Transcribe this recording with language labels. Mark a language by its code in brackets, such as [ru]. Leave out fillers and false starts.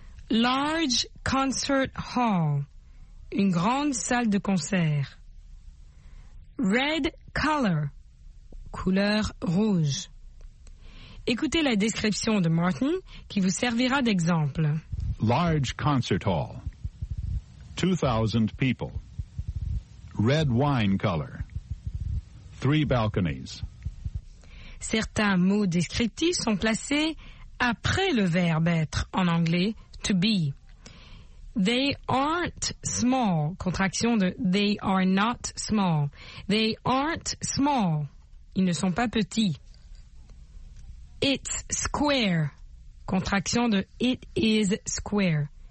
[en] Large concert hall, [fr] une grande salle de concert. [en] Red color, [fr] couleur rouge. Écoutez la description de Martin qui vous servira d'exemple. [en] Large concert hall, 2,000 people. Red wine color. 3 balconies. [fr] Certains mots descriptifs sont placés après le verbe être en anglais, to be. [en] They aren't small, [fr] contraction de [en] they are not small. They aren't small. [fr] Ils ne sont pas petits. [en] It's square. [fr] Contraction de [en] it is square.